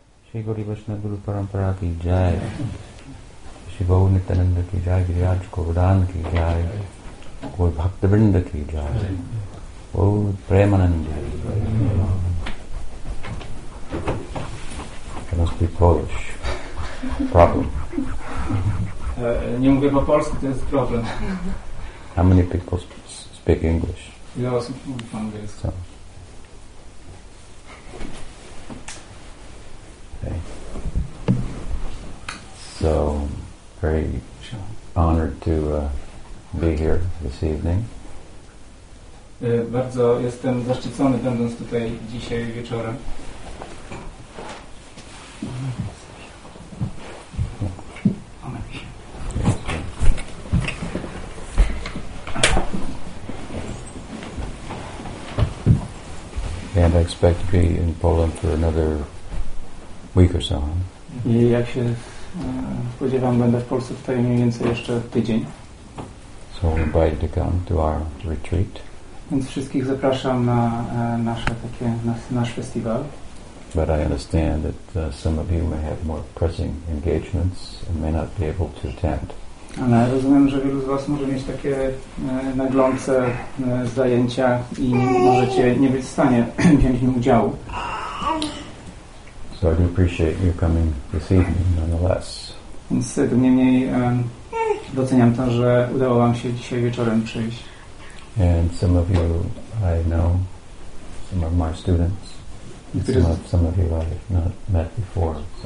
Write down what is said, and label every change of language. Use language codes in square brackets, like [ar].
[hi] श्री गौरी वैष्णव गुरु परंपरा की जय, श्री गौ नित्यानंद की जय, गिरिराज को उड़ान की जय, कोई भक्तवृंद की जय, वो Premanand [en] Polish problem [pl] Nie mówię po polsku, to jest problem. [en] How many people speak English? [pl] Ile osób mówi po angielsku? [en] So, very honored to be here this evening. [pl] Bardzo jestem zaszczycony będąc tutaj dzisiaj wieczorem. [en] And I expect to be in Poland for another week or so. [pl] I jak się spodziewam, będę w Polsce tutaj mniej więcej jeszcze tydzień. [en] So we invite to come to our retreat. [pl] Więc wszystkich zapraszam na nasze takie nasz festiwal. [en] But I understand that some of you may have more pressing engagements and may not be able to attend. [pl] Ale rozumiem, że wielu z was może mieć takie naglące zajęcia i możecie nie być w stanie wziąć w nim udziału. [en] So I do appreciate you coming this evening nonetheless. [pl] Więc tym niemniej doceniam to, że udało wam się dzisiaj wieczorem przyjść. [en] And some of you I know, some of my students, some of you I've not met before.